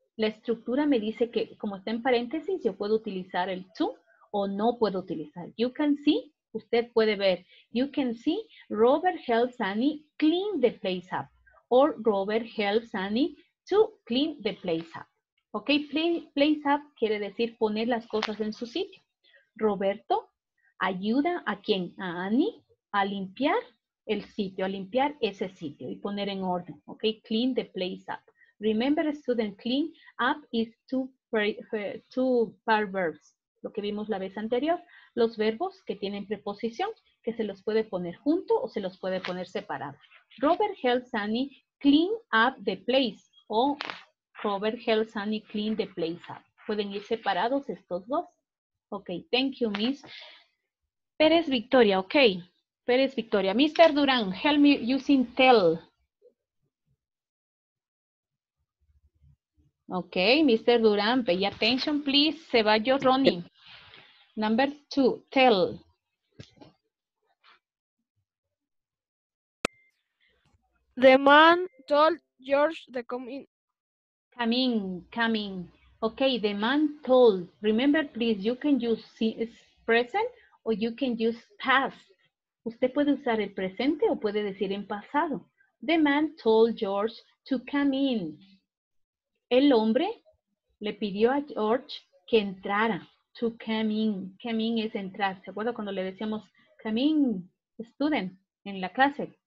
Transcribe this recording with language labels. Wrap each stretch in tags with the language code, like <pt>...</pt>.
<es>La estructura me dice que, como está en paréntesis, yo puedo utilizar el to o no puedo utilizar.</es> <en>You can see,</en> <es>usted puede ver.</es> <en>You can see, Robert helps Annie clean the place up. Or Robert helps Annie to clean the place up.</en> <es>Ok, place up quiere decir poner las cosas en su sitio. Roberto ayuda a quién, a Annie, a limpiar el sitio, a limpiar ese sitio y poner en orden.</es> <en>Ok, clean the place up. Remember, student, clean up is two par verbs.</en> <es>Lo que vimos la vez anterior, los verbos que tienen preposición, que se los puede poner junto o se los puede poner separado.</es> <en>Robert helps Annie clean up the place. O Robert helps Annie clean the place up.</en> <es>Pueden ir separados estos dos. Ok,</es> <en>thank you,</en> <es>Miss Pérez Victoria.</es> <en>Ok, Pérez Victoria. Mr. Durán, help me using tell. Ok, Mr. Durán, pay attention, please.</en> <es>Se va yo,</es> <en>Ronnie. Number two, tell. The man told George to come in. Coming. Ok, the man told. Remember, please, you can use present or you can use past.</en> <es>Usted puede usar el presente o puede decir en pasado.</es> <en>The man told George to come in.</en> <es>El hombre le pidió a George que entrara.</es> <en>To come in.</en> <es>Come in es entrar. ¿Se acuerda cuando le decíamos,</es> <en>come in, student,</en> <es>en la clase?</es>